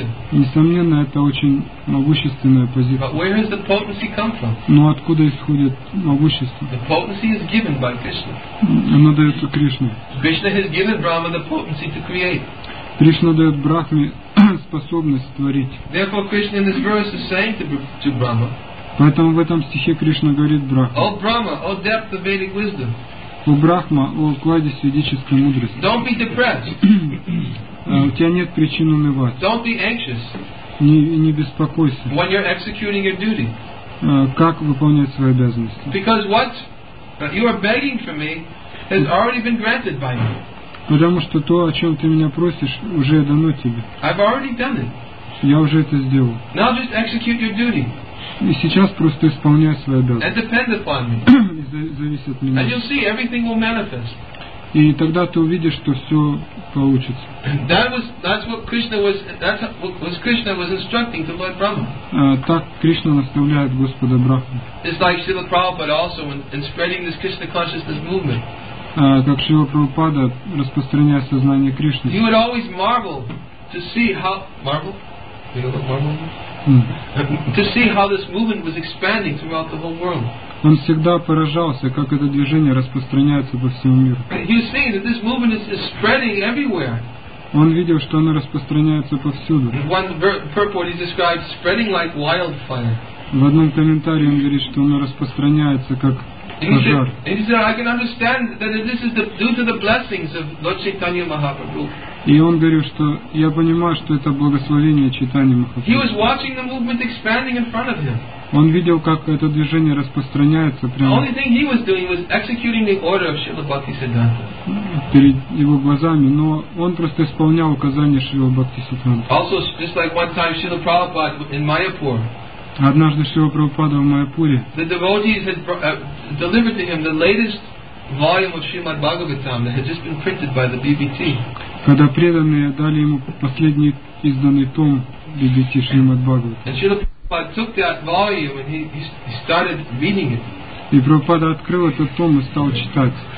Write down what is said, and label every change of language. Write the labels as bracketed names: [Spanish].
[Russian] Несомненно, это очень могущественная позиция. [English] But where has the potency come from? [Russian] Но откуда исходит могущество? [English] The potency is given by Krishna. [Russian] Оно дается Кришне. [English] Krishna has given Brahma the potency to create. [Russian] Кришна дает Брахме способность творить. [English] Therefore, Krishna in this verse is saying to Brahma. [Russian] Поэтому в этом стихе Кришна говорит Брахме. [English] O Brahma, O depth of Vedic wisdom. [Russian] О Брахма, о укладе ведической мудрости. [English] Don't be depressed. [Russian] У тебя нет причин унывать. [English] Don't be anxious. [Russian] Не беспокойся. [English] When you're executing your duty. [Russian] Как выполнять свои обязанности? [English] Because what you are begging for me has already been granted by me. [Russian] Потому что то, о чем ты меня просишь, уже дано тебе. [English] I've already done it. [Russian] Я уже это сделал. [English] Now just execute your duty. [Russian] И сейчас просто исполняй свои обязанности. [English] And depend upon me. [Russian] Зависит от меня. [English] And you'll see everything will manifest. [Russian] И тогда ты увидишь, что все получится. [English] That's what Krishna was instructing to Lord Brahma. [Russian] Так Кришна наставляет Господа Брахму. [English] It's like Srila Prabhupada also in spreading this Krishna consciousness movement. [Russian] Как Шрила Прабхупада распространяет сознание Кришны. [English] He would always marvel to see how marvel. To see how this movement was expanding throughout the whole world. [Russian] Он всегда поражался, как это движение распространяется по всему миру. [English] You see that this movement is spreading everywhere. [Russian] Он видел, что оно распространяется повсюду. [English] One purport is described spreading like wildfire. [Russian] В одном комментарии он говорит, что оно распространяется как пожар. [English] He said, I can understand that this is due to the blessings of Lord Chaitanya Mahaprabhu. [Russian] И он говорил, что я понимаю, что это благословение Чайтаньи Махапрабху. Он видел, как это движение распространяется прямо. [English] The only thing he was doing was executing the order of Srila Bhakti Siddhanta. [Russian] Перед его глазами, но он просто исполнял указания Шрила Бхакти Сиддханта. [English] Also, just like one time Srila Prabhupada in Mayapur. [Russian] Однажды Шрила Прабхупада в Майяпуре. [English] The devotees had delivered to him the latest volume of Srimad Bhagavatam that had just been printed by the BBT. [Russian] Когда преданные дали ему последний изданный том BBT Шримад Бхагаватам. И Прабхупада открыл этот том и стал читать.